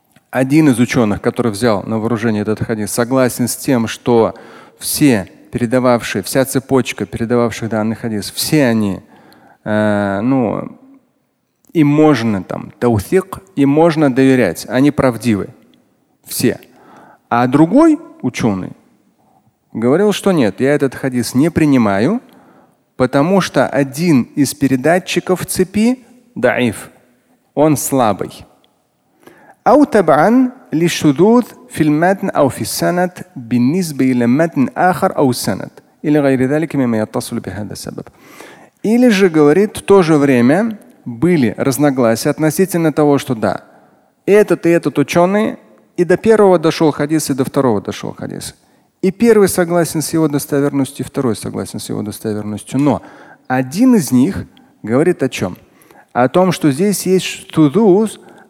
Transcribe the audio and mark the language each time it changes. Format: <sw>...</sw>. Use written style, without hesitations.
<ru>Один из ученых, который взял на вооружение этот хадис, согласен с тем, что все передававшие, вся цепочка передававших данный хадис, все они, ну, им можно там таусик, им можно доверять, они правдивы. Все. А другой ученый говорил, что нет, я этот хадис не принимаю, потому что один из передатчиков цепи, даиф, он слабый.</ru> <ar>أو تبعا للشذوذ في المتن أو في السند بالنسبة إلى متن آخر أو سند إلى غير ذلك مما يتصل بهذا السبب.</ar> <ru>Или же говорит, в то же время были разногласия относительно того, что да, этот и этот ученый и до первого дошел хадис, и до второго дошел хадис. И первый согласен с его достоверностью, и второй согласен с его достоверностью. Но один из них говорит о чем? О том, что здесь есть шудуз.</ru>